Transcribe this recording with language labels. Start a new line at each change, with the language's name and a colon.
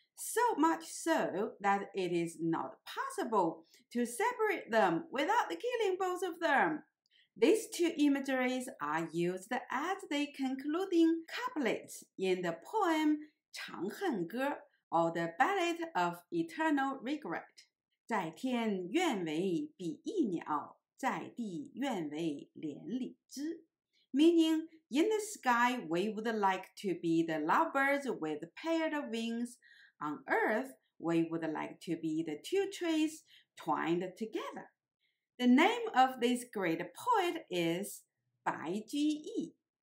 English: So much so that it is not possible to separate them without killing both of them. These two imageries are used as the concluding couplets in the poem 长恨歌 or The Ballad of Eternal Regret.
Chinese: 在天愿为比翼鸟，在地愿为连理枝。
English: Meaning, in the sky we would like to be the lovebirds with paired wings,On earth, we would like to be the two trees twined together. The name of this great poet is Bai Ju-yi.